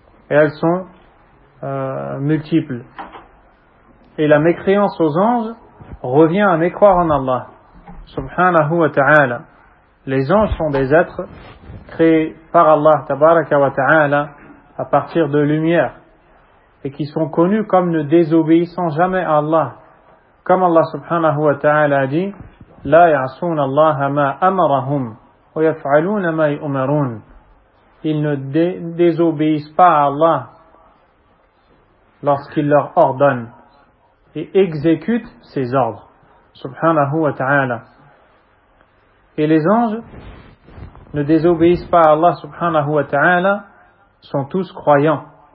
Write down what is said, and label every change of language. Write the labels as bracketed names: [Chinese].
[French] Et elles sont multiples. Et la mécréance aux anges revient à mécroire en Allah subhanahu wa ta'ala. Les anges sont des êtres créés par Allah tabaraka wa ta'ala à partir de lumière et qui sont connus comme ne désobéissant jamais à Allah. Comme Allah subhanahu wa ta'ala a dit, [Arabic] لا يعصون الله ما أمرهم ويفعلون ما يؤمرون. [French] Ils ne désobéissent pas à Allah lorsqu'il leur ordonne et exécute ses ordres, subhanahu wa ta'ala. Et les anges ne désobéissent pas à Allah, subhanahu wa ta'ala, sont tous croyants.